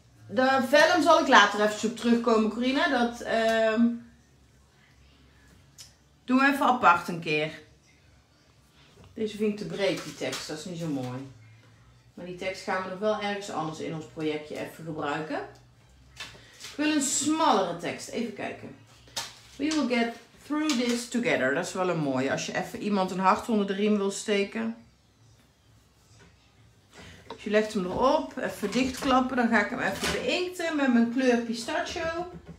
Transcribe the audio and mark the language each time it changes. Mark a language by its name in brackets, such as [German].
[Dutch] De vellum zal ik later even op terugkomen, Corina. Dat doen we even apart een keer. Deze vind ik te breed, die tekst. Dat is niet zo mooi. Maar die tekst gaan we nog wel ergens anders in ons projectje even gebruiken. Ik wil een smallere tekst. Even kijken. [English] We will get through this together. [Dutch] Dat is wel een mooie. Als je even iemand een hart onder de riem wil steken. Dus je legt hem erop. Even dichtklappen. Dan ga ik hem even beinkten met mijn kleur pistachio.